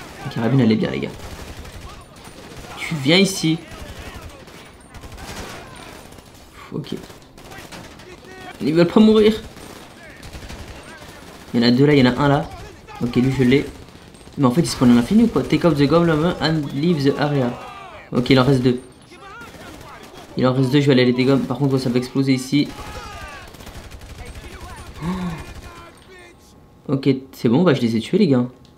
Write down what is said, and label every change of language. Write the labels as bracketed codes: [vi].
[fr] Carabine, elle est bien, les gars. Tu viens ici. Ok. Ils veulent pas mourir. Il y en a deux là, il y en a un là. Ok, lui, je l'ai. Mais en fait, ils se prennent à l'infini ou quoi? [en] Take off the goblin and leave the area. [fr] Ok, il en reste deux. Il en reste deux, je vais aller les dégommer. Par contre, ça va exploser ici. Oh. Ok, c'est bon, bah je les ai tués, les gars.